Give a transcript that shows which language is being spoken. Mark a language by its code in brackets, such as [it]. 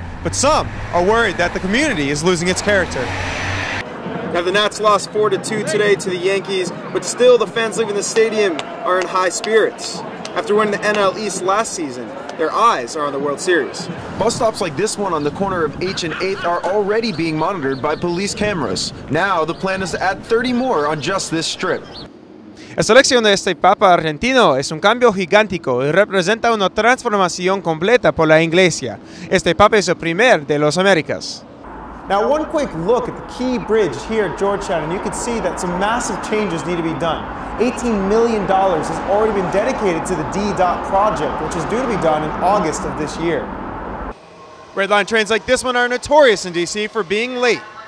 [en] But some are worried that the community is losing its character. Now, the Nats lost 4-2 today to the Yankees, but still the fans leaving the stadium are in high spirits. After winning the NL East last season, their eyes are on the World Series. Bus stops like this one on the corner of H and 8th are already being monitored by police cameras. Now, the plan is to add 30 more on just this strip. [es] La selección de este Papa argentino es un cambio gigántico y representa una transformación completa por la Iglesia. Este Papa es el primer de los Américas. [en] Now, one quick look at the key bridge here at Georgetown, and you can see that some massive changes need to be done. $18 million has already been dedicated to the D-Dot project, which is due to be done in August of this year. Red Line trains like this one are notorious in D.C. for being late.